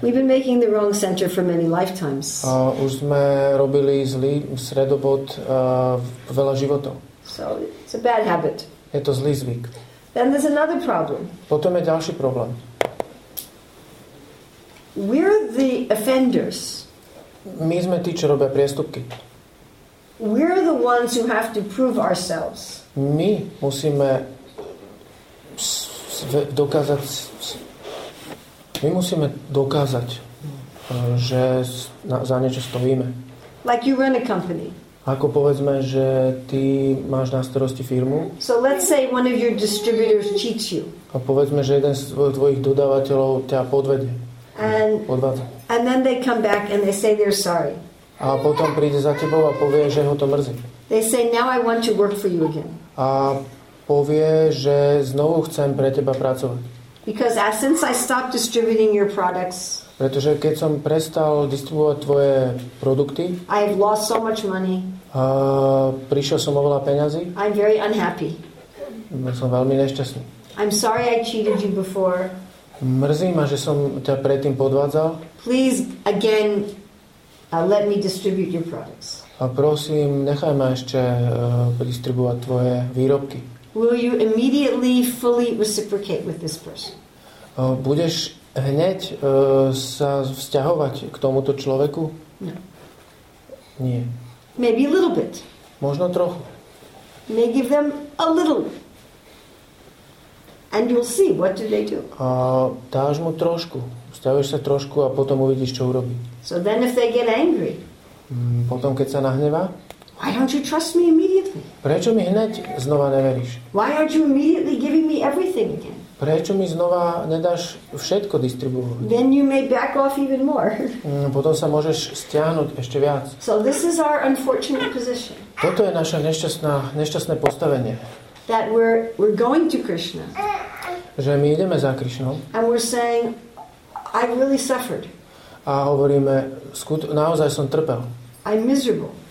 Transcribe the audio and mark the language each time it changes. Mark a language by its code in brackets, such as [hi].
[en] We've been making the wrong center for many lifetimes. [sk] Už sme robili zlý stredobod veľa životov. [en] So it's a bad habit. [sk] Je to zlý zvyk. [en] Then there's another problem. [sk] Potom je ďalší problém. [en] We're the offenders. [sk] My sme tí, čo robia priestupky. [en] We're the ones who have to prove ourselves. [sk] My musíme dokázať. My musíme dokázať, že za niečo stojíme. [en] Like you run a company. [sk] Ako povedzme, že ty máš na starosti firmu. [en] So let's say one of your distributors cheats you. [sk] A povedzme, že jeden z tvojich dodávateľov ťa podvedie. [en] And then they come back and they say they're sorry. [sk] A potom príde za tebou a povie, že ho to mrzí. [en] They say now I want to work for you again. [sk] A povie, že znovu chcem pre teba pracovať. [en] Because since I stopped distributing your products. [sk] Pretože keď som prestal distribuovať tvoje produkty. [en] I have lost so much money. [sk] A prišiel som o veľa peňazí. [en] I'm very unhappy. [sk] Som veľmi nešťastný. [en] I'm sorry I cheated you before. [sk] Mrzí ma, že som ťa predtým podvádzal. [en] Please again let me distribute your products. [sk] A prosím, nechaj ma ešte distribuovať tvoje výrobky. [en] Will you immediately fully reciprocate with this person? [sk] Budeš hneď sa vzťahovať k tomuto človeku? [en] No. [sk] Nie. [en] Maybe a little bit. [sk] Možno trochu. [en] May give them a little. And you'll see what do they do. [sk] Dáš mu trošku. Vzťahuješ sa trošku a potom uvidíš, čo urobí. [en] So then if they get angry. [sk] Potom keď sa nahnevá. [en] Why don't you trust me immediately? [sk] Prečo mi hneď znova neveríš? [en] Why aren't you immediately giving me everything again? [sk] Prečo mi znova nedáš všetko distribuovať? [en] Then you may back off even more. [sk] Potom sa môžeš stiahnuť ešte viac. [en] So this is our unfortunate position. [sk] Toto je naše nešťastné postavenie. [en] That we're going to Krishna. [sk] Že my ideme za Krishnou. [en] And we're saying, I really suffered. [sk] A hovoríme, naozaj som trpel. [en] I'm miserable.